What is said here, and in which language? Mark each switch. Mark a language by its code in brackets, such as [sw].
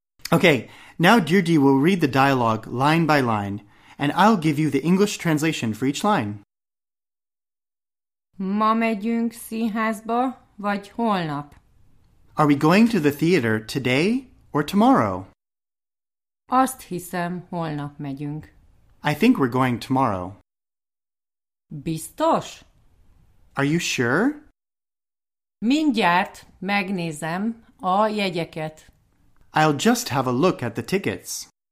[en] Okay, now Judy will read the dialogue line by line, and I'll give you the English translation for each line. [hu] Ma megyünk színházba, vagy holnap? [en] Are we going to the theater today or tomorrow? [hu] Azt hiszem, holnap megyünk. [en] I think we're going tomorrow. [hu] Biztos? [en] Are you sure? [hu] Mindjárt megnézem a jegyeket. [en] I'll just have a look at the tickets.